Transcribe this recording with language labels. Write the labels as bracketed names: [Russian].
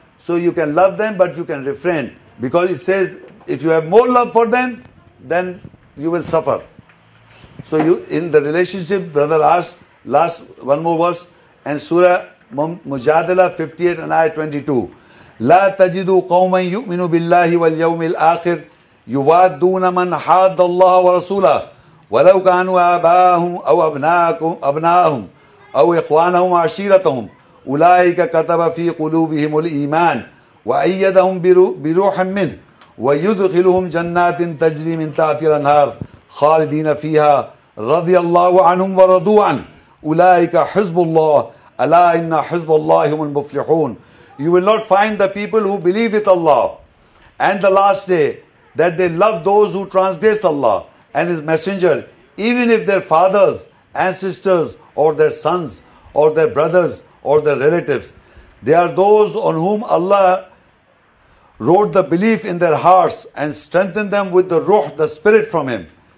[English] So you can love them, but you can refrain. Because it says, if you have more love for them, then you will suffer. So you, in the relationship, brother asks, last one more verse, and Surah Mujadila 58 and Ayah 22. [Arabic] لَا تَجِدُوا قَوْمًا يُؤْمِنُوا بِاللَّهِ وَالْيَوْمِ الْآخِرِ يُوَادُّونَ مَنْ حَادَّ اللَّهَ وَرَسُولَهُ وَلَوْ كَانُوا آبَاهُمْ أَوْ أَبْنَاهُمْ أو إخوانهم عشيرتهم أولئك كتب في قلوبهم الإيمان وأيدهم بروح منه ويدخلهم جنات تجري من تحتها الأنهار خالدين فيها رضي الله عنهم ورضوا عنه أولئك حزب الله ألا إن حزب الله هم المفلحون. [English] You will not find the people who believe with Allah and the last day that they love those who transgress Allah and His Messenger, even if their fathers, ancestors, or their sons, or their brothers, or their relatives. They are those on whom Allah wrote the belief in their hearts and strengthened them with the ruh, the spirit from Him.